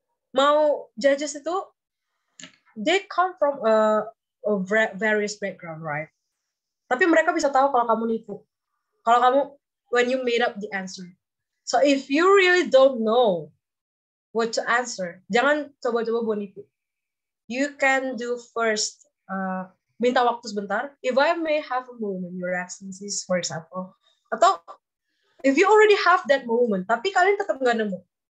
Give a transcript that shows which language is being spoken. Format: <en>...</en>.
<id>Mau judges itu,</id> <en>they come from various background, right?</en> <id>Tapi mereka bisa tahu kalau kamu nipu. Kalau kamu,</id> <en>when you made up the answer. So if you really don't know what to answer,</en> <id>jangan coba-coba buat nipu.</id> <en>You can do first,</en> <id>minta waktu sebentar.</id> <en>If I may have a moment, your absences, for example.</en> <id>Atau,</id> <en>if you already have that moment,</en> <id>tapi kalian tetap gak nemu.</id>